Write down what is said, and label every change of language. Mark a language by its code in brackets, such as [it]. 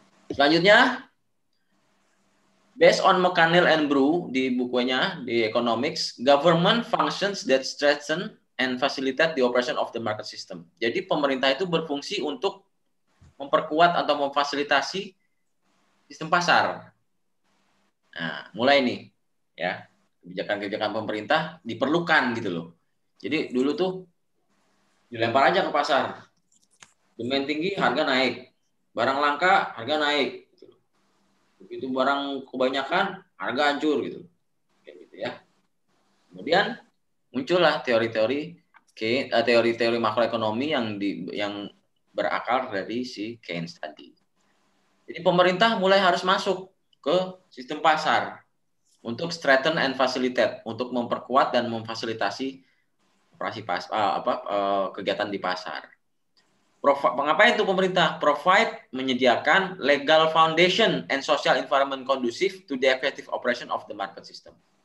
[en] Selanjutnya, based on McConnell and Brew [id] di bukunya di [en] Economics, government functions that strengthen and facilitate the operation of the market system. [id] Jadi pemerintah itu berfungsi untuk memperkuat atau memfasilitasi sistem pasar. Nah, mulai nih, ya, kebijakan-kebijakan pemerintah diperlukan gitu loh. Jadi dulu tuh dilempar aja ke pasar, demand tinggi harga naik, barang langka harga naik. Itu barang kebanyakan harga hancur gitu. Kayak gitu ya. Kemudian muncullah teori-teori Oke, okay. Teori-teori makroekonomi yang berakar dari si Keynes tadi. Jadi pemerintah mulai harus masuk ke sistem pasar untuk [en] strengthen and facilitate, [id] untuk memperkuat dan memfasilitasi operasi kegiatan di pasar. Ngapain tuh pemerintah? [en] Provide, menyediakan legal foundation and social environment conducive to the effective operation of the market system.